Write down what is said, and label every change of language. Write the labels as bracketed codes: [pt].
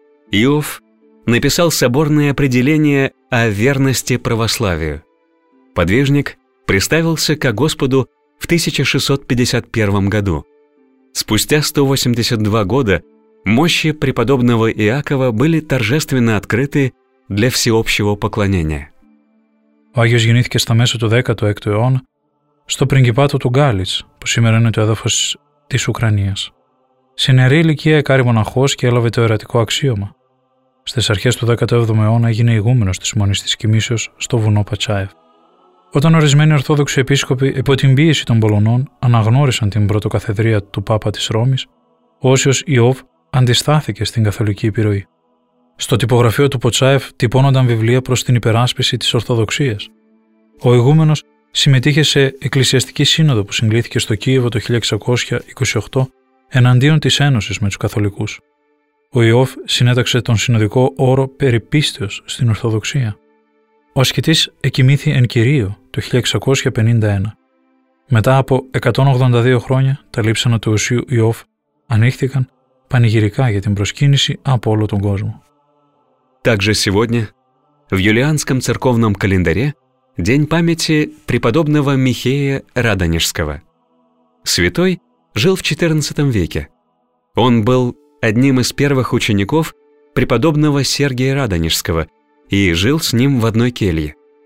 [ru] Иов написал соборное определение о верности православию. Подвижник представился ко Господу в 1651 году. Спустя 182 года мощи преподобного Иакова были торжественно открыты для всеобщего поклонения. [el] Ο Άγιος γεννήθηκε στα μέσα του 16ου αιώνα στο πριγκιπάτο του Γκάλιτς, που σήμερα είναι το έδαφος της Ουκρανίας. Σε νεαρή ηλικία εκάρι μοναχός και έλαβε το αιρετικό αξίωμα. Στις αρχές του 17ου αιώνα έγινε ηγούμενος της μονής της Κοιμήσεως στο βουνό Πατσάεφ. Όταν ορισμένοι Ορθόδοξοι επίσκοποι υπό την πίεση των Πολωνών αναγνώρισαν την πρωτοκαθεδρία του Πάπα της Ρώμης, ο Όσιος Ιώβ αντιστάθηκε στην καθολική επιρροή. Στο τυπογραφείο του Ποτσάεφ τυπώνονταν βιβλία προς την υπεράσπιση της Ορθοδοξίας. Ο ηγούμενος συμμετείχε σε εκκλησιαστική σύνοδο που συγκλήθηκε στο Κίεβο το 1628 εναντίον της ένωσης με τους καθολικούς. Ο Ιώβ συνέταξε τον συνοδικό όρο «Περιπίστεως» στην Ορθοδοξία. Ο ασκητής εκοιμήθη εν κυρίω το 1651. Μετά από 182 χρόνια, τα λείψανα του Οσίου Ιώβ ανοίχθηκαν πανηγυρικά για την προσκύνηση από όλο τον κόσμο. [ru] Также сегодня в юлианском церковном календаре день памяти преподобного Михея Радонежского. Святой жил в XIV веке. Он был одним из первых учеников преподобного Сергия Радонежского и жил с ним в одной келье.